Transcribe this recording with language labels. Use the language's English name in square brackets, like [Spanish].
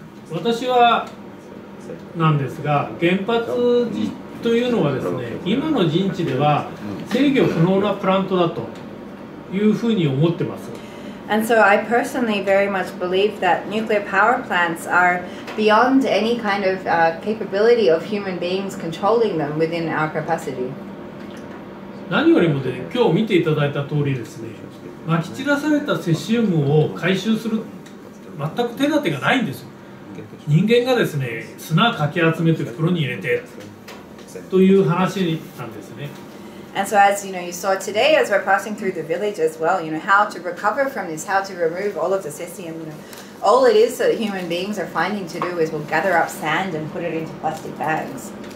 [Japanese] 私はなんですが、原発というのはですね、今の陣地では制御不能なプラントだというふうに思ってます。 [English] And so I personally very much believe that nuclear power plants are beyond any kind of capability of human beings controlling them within our capacity. [Japanese] 何よりも、ね、今日見ていただいた通りですね、撒き散らされたセシウムを回収する全く手立てがないんですよ。人間がですね、砂かき集めて袋に入れてという話なんですね。 [English] And so as you know, you saw today as we're passing through the village as well, you know, how to recover from this, how to remove all of the cesium, you know, all it is that human beings are finding to do is we'll gather up sand and put it into plastic bags.